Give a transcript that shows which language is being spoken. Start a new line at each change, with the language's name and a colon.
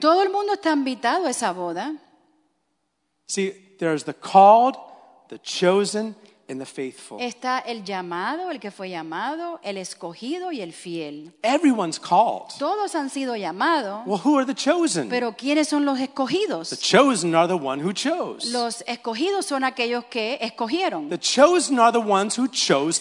Spanish: Todo el mundo está invitado a esa boda.
English: See, there's the called, the chosen, and the faithful.
Spanish: Está el llamado, el que fue llamado, el escogido y el fiel.
English: Everyone's called.
Spanish: Todos han sido llamados.
English: Well, who are the chosen?
Spanish: Pero ¿quiénes son los escogidos?
English: The chosen are the one who chose.
Spanish: Los escogidos son aquellos que escogieron.
English: The chosen are the ones who chose